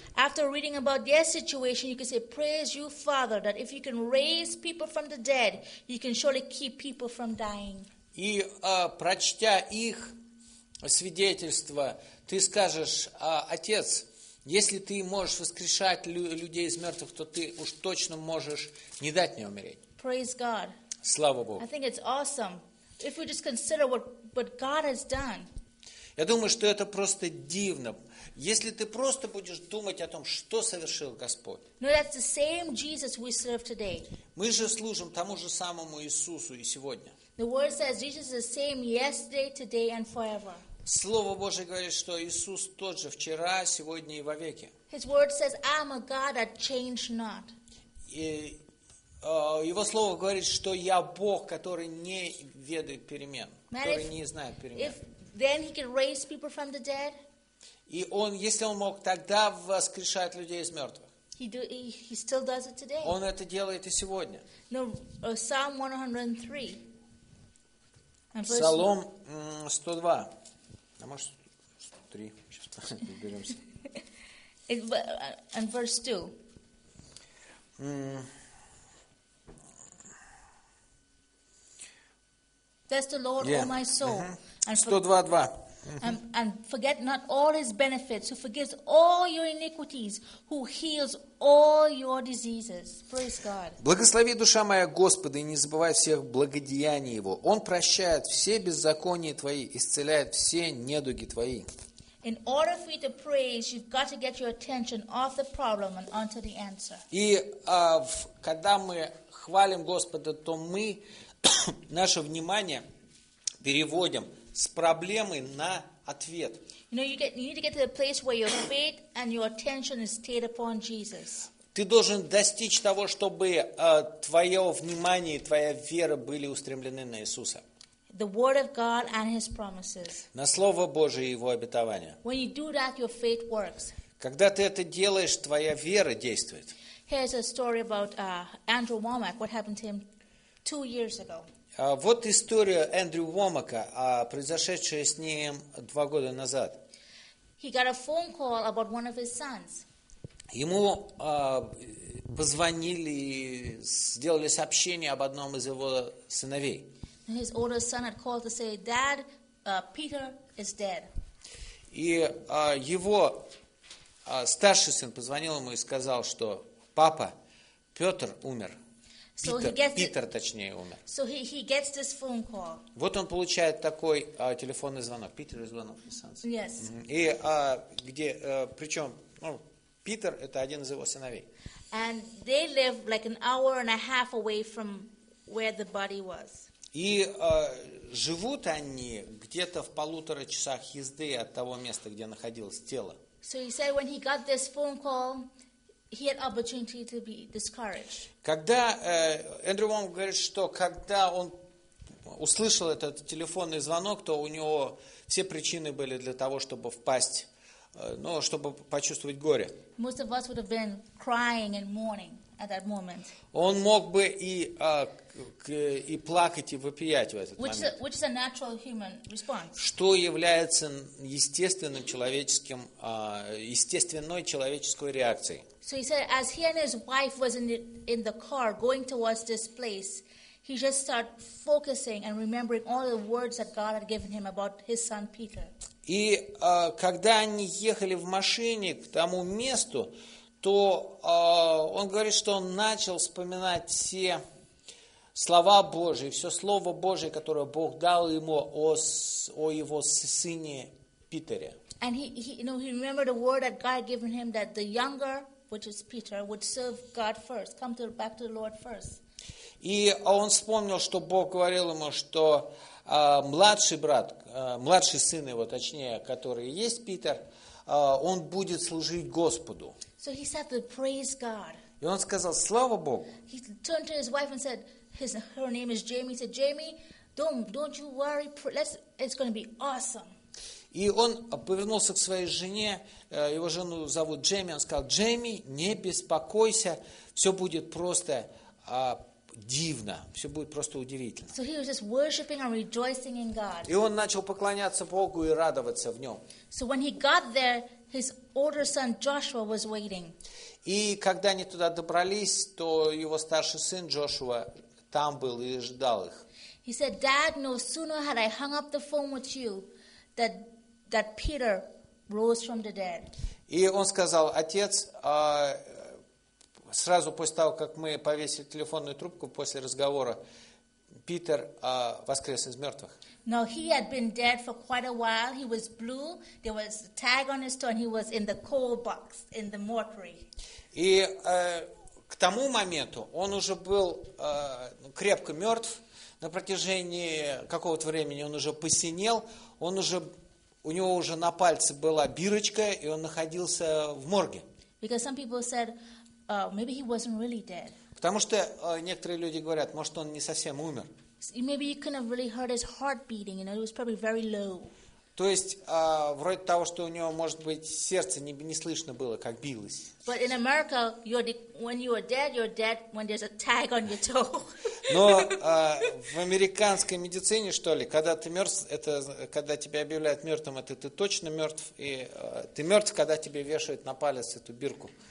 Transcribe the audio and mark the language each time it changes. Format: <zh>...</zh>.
<en>After reading about their situation, you can say, "Praise you, Father, that if you can raise people from the dead, you can surely keep people from dying."</en> <ru>И прочтя их свидетельство, ты скажешь, Отец, если ты можешь воскрешать людей из мертвых, то ты уж точно можешь не дать мне умереть.</ru> <en>Praise God.</en> <ru>Слава Богу.</ru> <en>I think it's awesome. If we just consider what God has done.</en> <ru>Я думаю, что это просто дивно. Если ты просто будешь думать о том, что совершил Господь.</ru> <en>No, that's the same Jesus we serve today.</en> <ru>Мы же служим тому же самому Иисусу и сегодня.</ru> <en>The word says Jesus is the same yesterday, today and forever.</en> <ru>Слово Божие говорит, что Иисус тот же вчера, сегодня и вовеки.</ru> <en>His word says, I'm a God that changed not.</en> <ru>Его слово говорит, что я Бог, который не ведает перемен, который не знает перемен.</ru> <en>If, then he could raise people from the dead.</en> <ru>И он, если он мог тогда воскрешать людей из мертвых,</ru> <en>he still does it today.</en> <ru>Он это делает и сегодня.</ru> <en>No, Psalm 103.</en> <ru>Псалом 102. А может, 103. Сейчас разберемся.</ru> <en>And verse 2. That's the Lord, yeah. O my soul. Mm-hmm. 102:2. And forget not all his benefits, who forgives all your iniquities, who heals all your diseases. Praise God.</en> <ru>Благослови, душа моя, Господа, и не забывай всех благодеяний Его. Он прощает все беззакония твои, исцеляет все недуги твои.</ru> <en>In order for you to praise, you've got to get your attention off the problem and onto the answer.</en> <ru>И когда мы хвалим Господа, то мы наше внимание переводим с проблемы на ответ.</ru> <en>You know, you need to get to the place where your faith and your attention is stayed upon Jesus.</en> <ru>Ты должен достичь того, чтобы твое внимание и твоя вера были устремлены на Иисуса.</ru> <en>The word of God and His promises.</en> <ru>На Слово Божие и Его обетование.</ru> <en>When you do that, your faith works.</en> <ru>Когда ты это делаешь, твоя вера действует.</ru> <en>Here's a story about Andrew Womack. What happened to him? 2 years ago.</en> <ru>Вот история Эндрю Уомака, произошедшая с ним 2 года назад.</ru> <en>He got a phone call about one of his sons.</en> <ru>Ему позвонили, сделали сообщение об одном из его сыновей.</ru> <en>His older son had called to say, "Dad, Peter is dead."</en> <ru>И его старший сын позвонил ему и сказал, что папа, Петр умер. Питер умер.</ru> <en>So he gets this phone call.</en> <ru>Вот он получает такой телефонный звонок. Питер звонок.</ru> <en>Yes.</en> <ru>И где, причем, ну, Питер это один из его сыновей.</ru> <en>And they live like an hour and a half away from where the body was.</en> <ru>И живут они где-то в полутора часах езды от того места, где находилось тело.</ru> <en>So he said when he got this phone call, he had opportunity to be discouraged.</en> <ru>Когда Эндрю Вонг говорит, что когда он услышал этот телефонный звонок, то у него все причины были для того, чтобы впасть, ну, чтобы почувствовать горе.</ru> <en>Most of us would have been crying and mourning at that moment.</en> <ru>Он мог бы и плакать, и вопиять в этот момент.</ru> <en>Which is a natural human response.</en> <ru>Что является естественным человеческим, естественной человеческой реакцией.</ru> <en>So he said, as he and his wife was in the car going towards this place, he just started focusing and remembering all the words that God had given him about his son Peter.</en> <ru>И когда они ехали в машине к тому месту, то он говорит, что он начал вспоминать все слова Божьи, все слово Божье, которое Бог дал ему о его сыне Питере.</ru> <en>And he remembered the word that God had given him that the younger, which is Peter, would serve God first, back to the Lord first.</en> <ru>И он вспомнил, что Бог говорил ему, что младший брат, младший сын его, точнее, который есть Питер, он будет служить Господу.</ru> <en>So he said to praise God.</en> <ru>И он сказал, слава Богу.</ru> <en>He turned to his wife and said, her name is Jamie. He said, Jamie, don't you worry, it's going to be awesome.</en> <ru>И он повернулся к своей жене, его жену зовут Джейми, он сказал, Джейми, не беспокойся, все будет просто дивно, все будет просто удивительно.</ru> <en>So he was just worshiping and rejoicing in God.</en> <ru>И он начал поклоняться Богу и радоваться в нем.</ru> <en>So when he got there, his older son Joshua was waiting.</en> <ru>И когда они туда добрались, то его старший сын Джошуа там был и ждал их.</ru> <en>He said, Dad, no sooner had I hung up the phone with you that Peter rose from the dead.</en> <ru>И он сказал, отец, сразу после того, как мы повесили телефонную трубку после разговора, Питер воскрес из мертвых.</ru> <en>Now he had been dead for quite a while. He was blue. There was a tag on his tongue. He was in the coal box in the mortuary.</en> <ru>И к тому моменту он уже был крепко мертв. На протяжении какого-то времени он уже посинел. Он уже у него уже на пальце была бирочка, и он находился в морге.</ru> <en>Because some people said maybe he wasn't really dead.</en> <ru>Потому что некоторые люди говорят, может, он не совсем умер.</ru> <en>Maybe you couldn't have really heard his heart beating, you know, it was probably very low.</en> <ru>То есть, вроде того, что у него, может быть, сердце не слышно было, как билось.</ru> <en>But in America, when you are dead, you're dead when there's a tag on your toe.</en> <ru>Но в американской медицине, что ли, когда ты мертв, это когда тебя объявляют мертвым, это ты точно мертв, и ты мертв, когда тебе вешают на палец эту бирку.</ru>